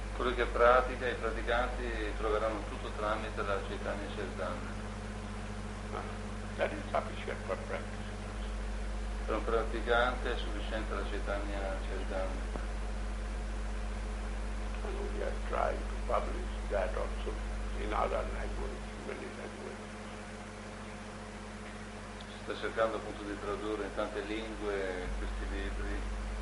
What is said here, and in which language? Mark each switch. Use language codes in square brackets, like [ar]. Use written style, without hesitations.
[it] Quello che pratica, i praticanti troveranno tutto tramite la Chaitanya Charitamrita. [en] That is sufficient for practitioners. [it] Per un praticante è sufficiente la Chaitanya Charitamrita. [en] And we are trying to publish that also in other languages, many languages. [it] Si sta cercando appunto di tradurre in tante lingue questi libri.